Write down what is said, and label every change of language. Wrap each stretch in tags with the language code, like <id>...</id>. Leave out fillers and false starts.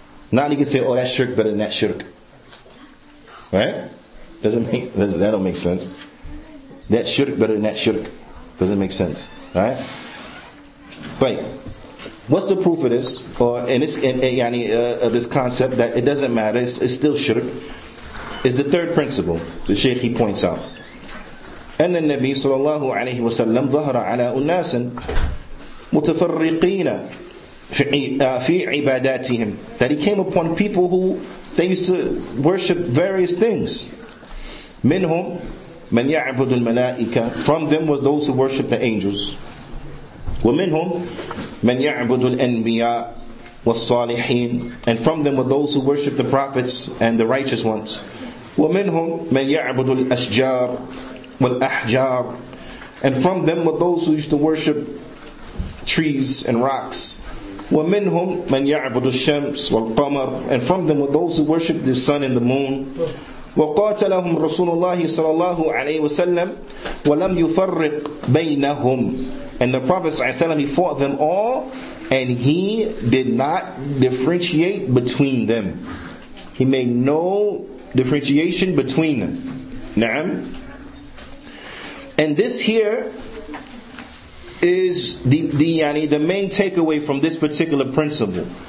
<en>Now you can say, oh, that shirk better than that shirk. Right? That don't make sense. That shirk better than that shirk. Doesn't make sense. Right? Right. What's the proof of this? Or in this, this concept that it doesn't matter, it's still shirk. It's the third principle. The Shaykh, he points out.</en> <ar>أن النبي صلى الله عليه وسلم ظهر على أناس متفرقين في عباداتهم.</ar> <en>That he came upon people who they used to worship various things.</en> <ar>منهم من يعبد الملائكة.</ar> <en>From them was those who worship the angels.</en> <ar>ومنهم من يعبد الأنبياء والصالحين.</ar> <en>And from them were those who worship the prophets and the righteous ones.</en> <ar>ومنهم من يعبد الأشجار. والأحجار.</ar> <en>And from them were those who used to worship trees and rocks.</en> <ar>ومنهم من يعبد الشمس والقمر.</ar> <en>And from them were those who worshiped the sun and the moon.</en> <ar>وقاتلهم رسول الله صلى الله عليه وسلم ولم يفرق بينهم.</ar> <en>And the Prophet صلى الله عليه وسلم, he fought them all and he did not differentiate between them. He made no differentiation between them.</en> <ar>نعم.</ar> <en>And this here is the main takeaway from this particular principle.</en>